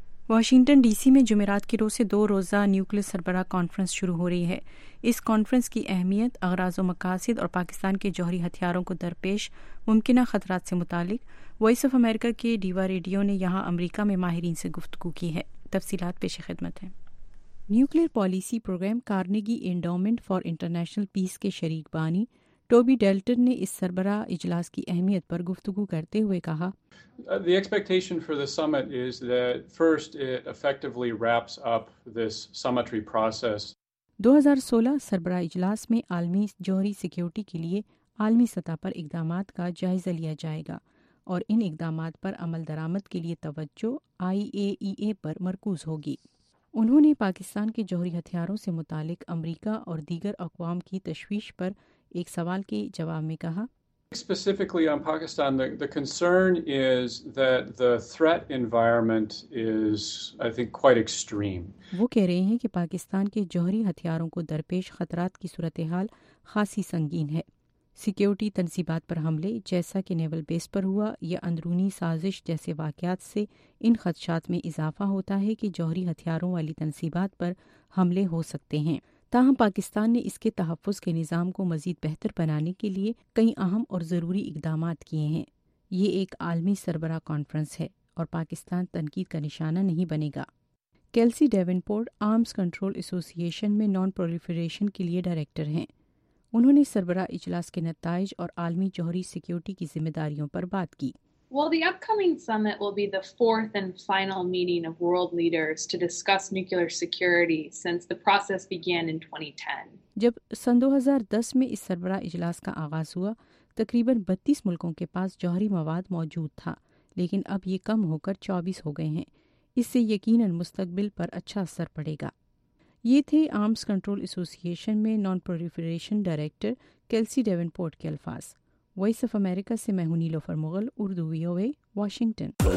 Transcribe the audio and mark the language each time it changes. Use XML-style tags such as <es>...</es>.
<ur>Washington D C میں جمعرات کی روز سے 2 روزہ نیوکلیئر سربراہ کانفرنس شروع ہو رہی ہے۔ اس کانفرنس کی اہمیت، اغراض و مقاصد اور پاکستان کے جوہری ہتھیاروں کو درپیش ممکنہ خطرات سے متعلق وائس آف امریکہ کے ڈیوا ریڈیو نے یہاں امریکہ میں ماہرین سے گفتگو کی ہے۔ تفصیلات پیش خدمت ہیں۔ Nuclear policy programme کارنگی endowment for international peace کے شریک بانی ٹوبی ڈیلٹن نے اس سربراہ اجلاس کی اہمیت پر گفتگو کرتے ہوئے کہا،</ur> <en>The expectation for the summit is that first it effectively wraps up this summitry process.</en> <ur>2016 سربراہ اجلاس میں عالمی جوہری سیکیورٹی کے لیے عالمی سطح پر اقدامات کا جائزہ لیا جائے گا اور ان اقدامات پر عمل درآمد کے لیے توجہ IAEA پر مرکوز ہوگی۔ انہوں نے پاکستان کے جوہری ہتھیاروں سے متعلق امریکہ اور دیگر اقوام کی تشویش پر ایک سوال کے جواب میں کہا،</ur> <en>Specifically on Pakistan, the concern is that the threat environment is, I think, quite extreme.</en> <ur>وہ کہہ رہے ہیں کہ پاکستان کے جوہری ہتھیاروں کو درپیش خطرات کی صورتحال خاصی سنگین ہے۔ سیکیورٹی تنصیبات پر حملے، جیسا کہ نیول بیس پر ہوا، یا اندرونی سازش جیسے واقعات سے ان خدشات میں اضافہ ہوتا ہے کہ جوہری ہتھیاروں والی تنصیبات پر حملے ہو سکتے ہیں۔ تاہم پاکستان نے اس کے تحفظ کے نظام کو مزید بہتر بنانے کے لیے کئی اہم اور ضروری اقدامات کیے ہیں۔ یہ ایک عالمی سربراہ کانفرنس ہے اور پاکستان تنقید کا نشانہ نہیں بنے گا۔ کیلسی ڈیونپورٹ آرمز کنٹرول ایسوسی ایشن میں نان پرولیفریشن کے لیے ڈائریکٹر ہیں۔ انہوں نے سربراہ اجلاس کے نتائج اور عالمی جوہری سیکیورٹی کی ذمہ داریوں پر بات کی۔</ur> <en>Well, the upcoming summit will be the fourth and final meeting of world leaders to discuss nuclear security since the process began in 2010.</en> <ur>جب سن 2010 میں اس سربراہ اجلاس کا آغاز ہوا، تقریباً 32 ملکوں کے پاس جوہری مواد موجود تھا، لیکن اب یہ کم ہو کر 24 ہو گئے ہیں۔ اس سے یقیناً مستقبل پر اچھا اثر پڑے گا۔ یہ تھے آرمز کنٹرول ایسوسی ایشن میں نان پروفیریشن ڈائریکٹر کیلسی ڈیونپورٹ کے الفاظ۔ وائس آف امریکہ سے میں ہوں نیلوفر مغل، اردو وی او اے، واشنگٹن۔</ur>